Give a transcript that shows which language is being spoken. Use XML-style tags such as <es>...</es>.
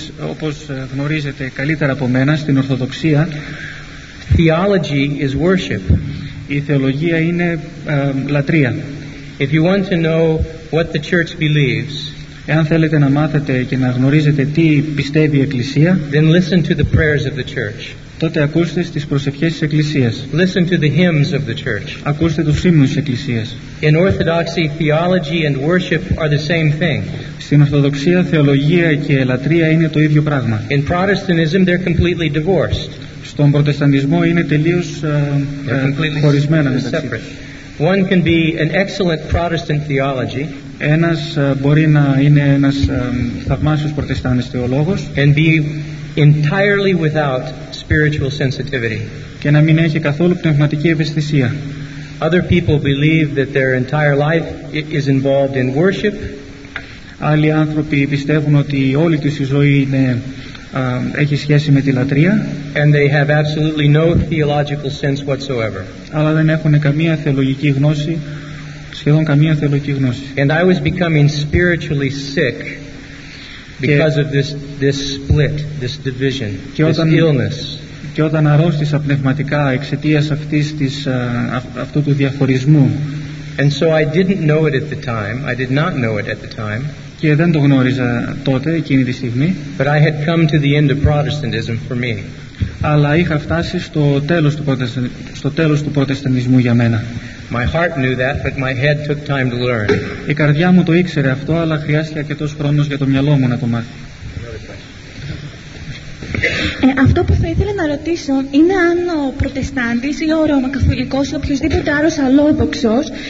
<el>όπως γνωρίζετε καλύτερα από μένα στην Ορθοδοξία,</el> <en>theology is worship.</en> <el>Η θεολογία είναι λατρεία.</el> <en>If you want to know what the church believes,</en> <el>εάν θέλετε να μάθετε και να γνωρίζετε τι πιστεύει η Εκκλησία,</el> <en>then listen to the prayers of the church.</en> <el>Τότε ακούστε τις προσευχές της Εκκλησίας.</el> <en>Listen to the hymns of the church.</en> <el>Ακούστε τους ύμνους της Εκκλησίας.</el> <en>In Orthodoxy, theology and worship are the same thing.</en> <el>Στην Ορθοδοξία, θεολογία και λατρεία είναι το ίδιο πράγμα.</el> <en>In Protestantism, they're completely divorced.</en> <el>Στον Προτεσταντισμό είναι τελείως χωρισμένα μεταξύ.</el> <en>One can be an excellent Protestant theology.</en> <el>Ένας μπορεί να είναι ένας θαυμάσιος Προτεστάντης θεολόγος</el> <en>and be entirely without spiritual sensitivity.</en> <el>Και να μην έχει καθόλου πνευματική ευαισθησία.</el> <en>Other people believe that their entire life is involved in worship.</en> <el>Άλλοι άνθρωποι πιστεύουν ότι όλη τους η ζωή είναι έχει σχέση με τη λατρεία,</el> <en>and they have absolutely no theological sense whatsoever.</en> <el>Αλλά δεν έχουν καμία θεολογική γνώση, σχεδόν καμία θεολογική γνώση.</el> <en>And I was becoming spiritually sick because of this split, this division, this illness.</en> <el>Και όταν αρρώστησα πνευματικά εξαιτίας αυτού του διαχωρισμού.</el> <en>And so I didn't know it at the time. I did not know it at the time.</en> <el>Και δεν το γνώριζα τότε, εκείνη τη στιγμή.</el> <en>But I had come to the end of Protestantism for me.</en> <el>Αλλά είχα φτάσει στο τέλος του Προτεσταντισμού για μένα.</el> <en>My heart knew that, but my head took time to learn.</en> <el>Η καρδιά μου το ήξερε αυτό, αλλά χρειάστηκε αρκετός χρόνος για το μυαλό μου να το μάθει. Αυτό που θα ήθελα να ρωτήσω είναι αν ο Προτεστάντης ή ο Ρωμαϊκός ή οποιοσδήποτε άλλος αλλόδοξος</el>